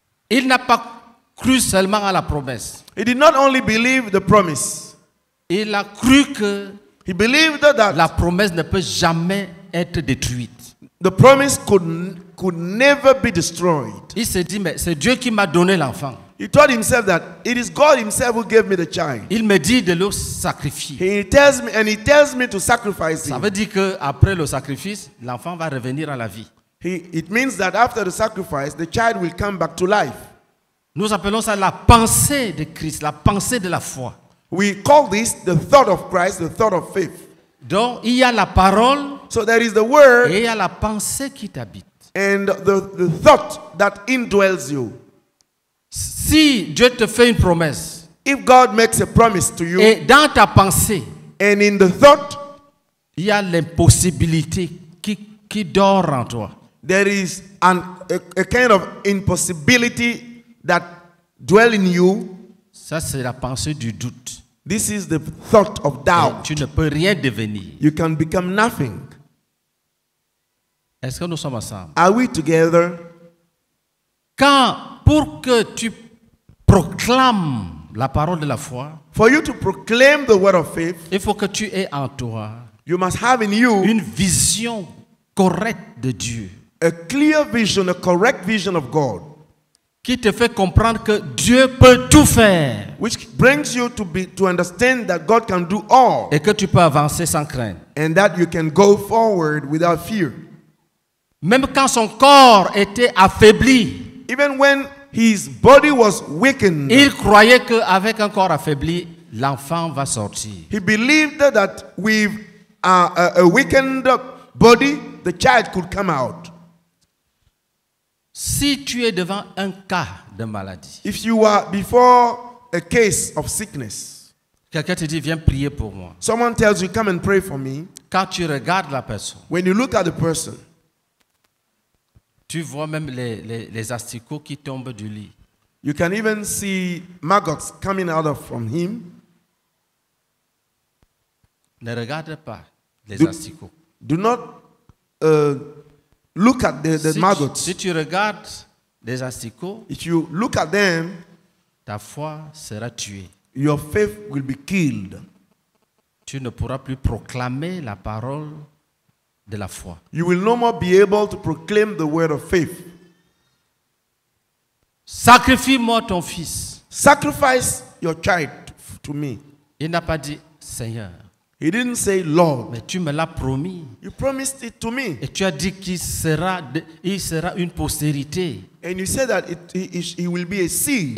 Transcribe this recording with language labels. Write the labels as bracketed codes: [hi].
[fr] Il n'a pas cru seulement à la promesse. [en] He did not only believe the promise. [fr] Il a cru que [en] he believed that [fr] la promesse ne peut jamais être détruite. [en] The promise could never be destroyed. [fr] Il s'est dit, mais c'est Dieu qui m'a donné l'enfant. [en] He told himself that it is God himself who gave me the child. [fr] Il me dit de le sacrifier. [en] He tells me to sacrifice him. [fr] Ça veut dire que après le sacrifice, l'enfant va revenir à la vie. [en] It means that after the sacrifice, the child will come back to life. [fr] Nous appelons ça la pensée de Christ, la pensée de la foi. [en] We call this the thought of Christ, the thought of faith. [fr] Donc il y a la parole. [en] So there is the word. [fr] Et il y a la pensée qui t'habite. [en] And the thought that indwells you. [fr] Si Dieu te fait une promesse, [en] if God makes a promise to you, [fr] et dans ta pensée, [en] and in the thought, [fr] il y a l'impossibilité qui dort en toi. [en] There is a kind of impossibility that dwells in you. [fr] Ça c'est la pensée du doute. [en] This is the thought of doubt. [fr] Tu ne peux rien devenir. [en] You can become nothing. [fr] Est-ce que nous sommes ensemble? [en] Are we together? [fr] Quand pour que tu proclames la parole de la foi, [en] for you to proclaim the word of faith, [fr] il faut que tu aies en toi, [en] you must have in you, [fr] une vision correcte de Dieu. [en] A clear vision, a correct vision of God. [fr] Qui te fait comprendre que Dieu peut tout faire. [en] Which brings you to understand that God can do all. [fr] Et que tu peux avancer sans crainte. [en] And that you can go forward without fear. [fr] Même quand son corps était affaibli. [en] Even when his body was weakened. [fr] Il croyait que avec un corps affaibli, l'enfant va sortir. [en] He believed that with a weakened body, the child could come out. [fr] Si tu es devant un cas de maladie, [en] if you are before a case of sickness, [fr] quelqu'un te dit viens prier pour moi. [en] Someone tells you come and pray for me. [fr] Quand tu regardes la personne, [en] when you look at the person, [fr] tu vois même les asticots qui tombent du lit. [en] You can even see maggots coming out of from him. [fr] Ne regarde pas les asticots. [en] Do not look at the [fr] si [en] maggots. [fr] Si tu regardes les asticots, [en] if you look at them, [fr] ta foi sera tuée. [en] Your faith will be killed. [fr] Tu ne pourras plus proclamer la parole de la foi. [en] You will no more be able to proclaim the word of faith. [fr] Sacrifie-moi ton fils. [en] Sacrifice your child to me. [fr] Il n'a pas dit Seigneur. [en] He didn't say Lord. [fr] Mais tu me l'as promis. [en] You promised it to me. [fr] Et tu as dit qu'il sera, il sera une postérité. [en] And you said that he will be a seed.